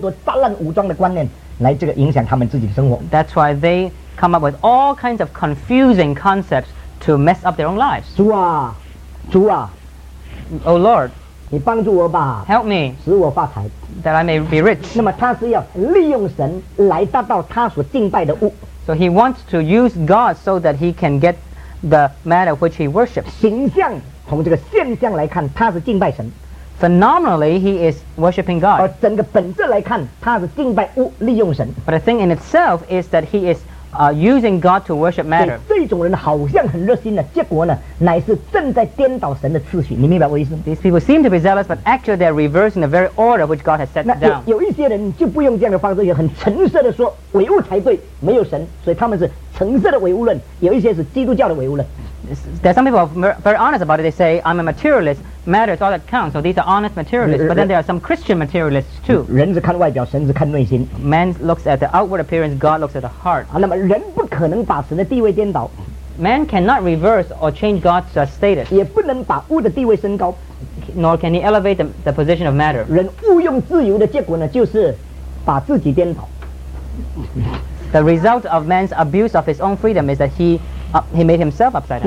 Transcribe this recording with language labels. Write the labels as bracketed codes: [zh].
[zh] 所以他们就产生了一生中间从来不能解决的许许多多杂乱无章的观念来这个影响他们自己的生活。 [en] That's why they come up with all kinds of confusing concepts to mess up their own lives. [zh] 主啊，主啊， [en] Oh Lord, [zh] 你帮助我吧， [en] Help me, [zh] 使我发财， [en] that I may be rich. [zh] 那么他是要利用神来达到他所敬拜的物。 [en] So he wants to use God so that he can get the matter which he worships. [zh] 形象, 从这个现象来看, 他是敬拜神。 [en] Phenomenally, he is worshipping God. [zh] 而整个本质来看, 他是敬拜物, 利用神。 [en] But the thing in itself is that he is using God to worship matter. [zh] 这种人好像很热心的, 结果呢, 乃是正在颠倒神的次序, 你明白我意思? [en] These people seem to be zealous, but actually they're reversing the very order which God has set 那, down. [zh] 有一些人就不用这样的方式, 也很诚实地说, 唯物才对, 没有神, 所以他们是诚实的唯物论, 有一些是基督教的唯物论。 [en] There's some people very honest about it. They say, I'm a materialist. Matter is all that counts. So these are honest materialists. But then there are some Christian materialists too. [zh] 人只看外表, 神只看内心。 [en] Man looks at the outward appearance. God looks at the heart. [zh] 那么人不可能把神的地位颠倒。 [en] Man cannot reverse or change God's status. [zh] 也不能把物的地位升高。 [en] Nor can he elevate the position of matter. [zh] 人误用自由的结果呢, 就是把自己颠倒。 [en] The result of man's abuse of his own freedom is that he made himself upside down.